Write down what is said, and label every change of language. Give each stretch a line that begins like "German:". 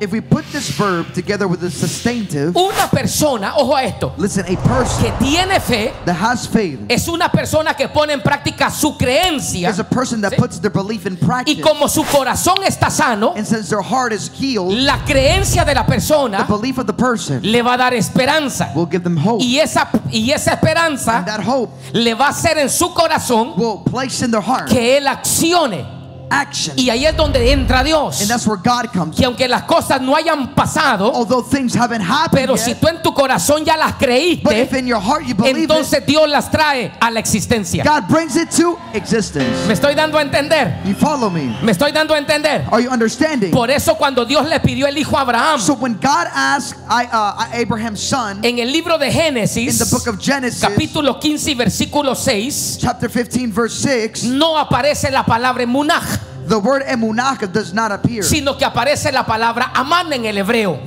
English: if we put this verb together with the sustantive,
Spanish: una persona, ojo a esto,
English: listen, a person
Spanish: que tiene fe,
English: that has faith,
Spanish: es una persona que pone en práctica su creencia,
English: is a person that, ¿sí?, puts their belief in practice,
Spanish: y como su corazón está sano,
English: and since their heart is healed,
Spanish: la creencia de la persona,
English: the belief of the person,
Spanish: le va a dar esperanza,
English: will give them hope,
Spanish: y esa esperanza,
English: and that hope,
Spanish: le va a hacer en su corazón,
English: will place in their heart,
Spanish: que él accione,
English: action.
Spanish: Y ahí es donde entra Dios.
English: And that's where God comes.
Spanish: Que aunque las cosas no hayan pasado,
English: although things haven't happened,
Spanish: pero
English: yet,
Spanish: si tú en tu corazón ya las creíste,
English: but if in your heart you believe,
Spanish: entonces
English: it,
Spanish: Dios las trae a la existencia.
English: God brings it to existence.
Spanish: Me estoy dando a entender.
English: You follow me?
Spanish: Me estoy dando a entender.
English: Are you understanding?
Spanish: Por eso cuando Dios le pidió el hijo a Abraham,
English: so when God asked Abraham's son,
Spanish: en el libro de Génesis,
English: in the book of Genesis,
Spanish: capítulo 15 versículo 6,
English: chapter 15 verse 6,
Spanish: no aparece la palabra emunah.
English: The word emunah does not appear.
Spanish: Sino que aparece la palabra aman en el hebreo.